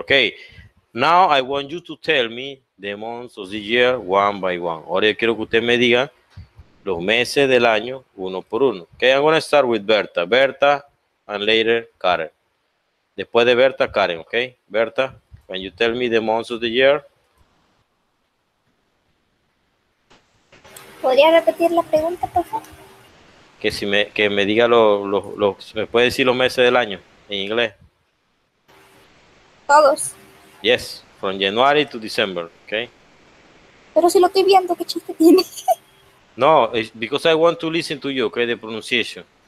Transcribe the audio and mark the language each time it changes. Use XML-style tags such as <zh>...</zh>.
<en>Okay, now I want you to tell me the months of the year one by one.</en> <es>Ahora yo quiero que usted me diga los meses del año uno por uno.</es> <en>Okay, I'm going to start with Berta. Berta, and later Karen.</en> <es>Después de Berta, Karen.</es> <en>Okay, Berta, can you tell me the months of the year?</en> <es>¿Podría repetir la pregunta, por favor? Que si me diga ¿me puede decir los meses del año en inglés? Todos.</es> <en>Yes, from January to December, okay.</en> <es>Pero si lo estoy viendo, ¿qué chiste tiene?</es> <en>No, it's because I want to listen to you, okay, the pronunciation.</en>